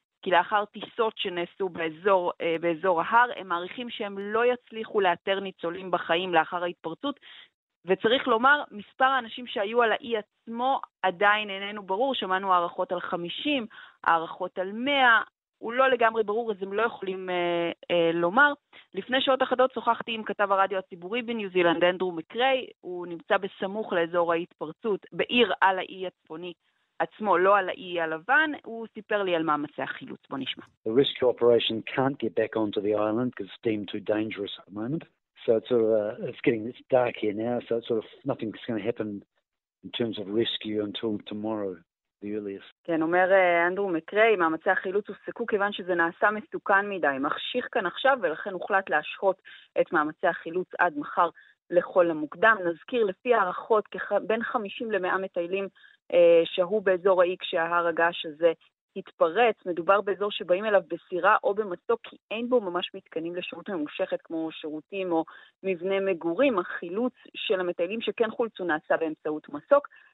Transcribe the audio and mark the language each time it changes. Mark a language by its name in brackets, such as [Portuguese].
[Hebrew] כי לאחר טיסות שנעשו באזור ההר, הם מעריכים שהם לא יצליחו לאתר ניצולים בחיים לאחר ההתפרצות, וצריך לומר, מספר האנשים שהיו על האי עצמו עדיין איננו ברור, שמענו הערכות על 50, הערכות על 100, הוא לא לגמרי ברור, אז הם לא יכולים לומר. לפני שעות אחדות שוחחתי עם כתב הרדיו הציבורי בניו זילנד, אנדרו מקרי, הוא נמצא בסמוך לאזור ההתפרצות, בעיר על האי הצפוני עצמו, לא על האי הלבן, הוא סיפר לי על מאמצי החילוץ, בוא נשמע. [English] The rescue operation can't get back onto the island because it's deemed too dangerous at the moment. So it's sort of it's getting this dark here now, so it's sort of nothing's going to happen in terms of rescue until tomorrow. [Hebrew] כן, אומר אנדרו מקרי, מאמצי החילוץ הופסקו כיוון שזה נעשה מסוכן מדי, מחשיך כאן עכשיו ולכן הוחלט להשהות את מאמצי החילוץ עד מחר לכל המוקדם. נזכיר לפי הערכות בין 50 ל-100 מטיילים שהו באזור האי כשההר הגעש הזה התפרץ, מדובר באזור שבאים אליו בסירה או במסוק כי אין בו ממש מתקנים לשירות ממושכת כמו שירותים או מבנה מגורים, החילוץ של המטיילים שכן חולצו נעשה באמצעות מסוק.